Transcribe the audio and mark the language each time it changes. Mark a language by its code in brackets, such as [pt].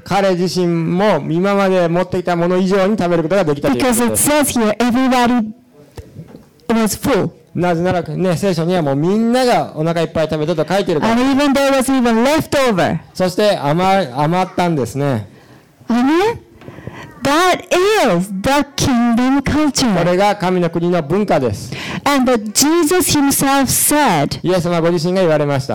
[ja] 彼自身も今まで持っていたもの以上に食べることができたということです。 [en] Because it says here, everybody was full. [ja] なぜならね、聖書にはもうみんながお腹いっぱい食べたと書いてるから。 [en] And even there was even left over. [ja] そして余ったんですね。 [en] Amen? That is the kingdom culture. [ja] これが神の国の文化です。 [en] And Jesus himself said, [ja] イエス様ご自身が言われました。